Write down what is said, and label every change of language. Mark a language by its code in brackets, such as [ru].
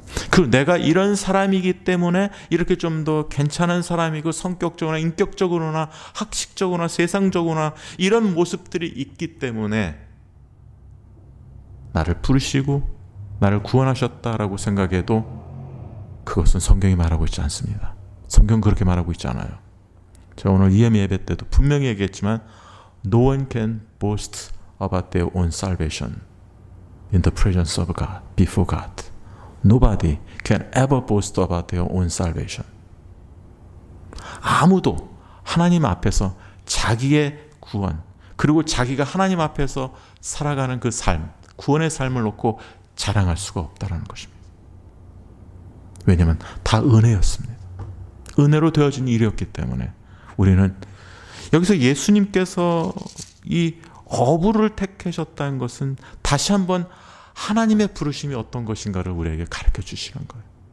[ko] 그리고 내가 이런 사람이기 때문에 이렇게 좀 더 괜찮은 사람이고 성격적으로나 인격적으로나 학식적으로나 세상적으로나 이런 모습들이 있기 때문에 나를 부르시고 나를 구원하셨다라고 생각해도 그것은 성경이 말하고 있지 않습니다. 성경 그렇게 말하고 있지 않아요. 제가 오늘 EME 예배 때도 분명히 얘기했지만 [en] No one can boast about their own salvation in the presence of God, before God. Nobody can ever boast about their own salvation. [ko] 아무도 하나님 앞에서 자기의 구원, 그리고 자기가 하나님 앞에서 살아가는 그 삶, 구원의 삶을 놓고 자랑할 수가 없다는 것입니다. 왜냐하면 다 은혜였습니다. 은혜로 되어진 일이었기 때문에 우리는 여기서 예수님께서 이 어부를 택하셨다는 것은 다시 한번 하나님의 부르심이 어떤 것인가를 우리에게 가르쳐 주시는 거예요.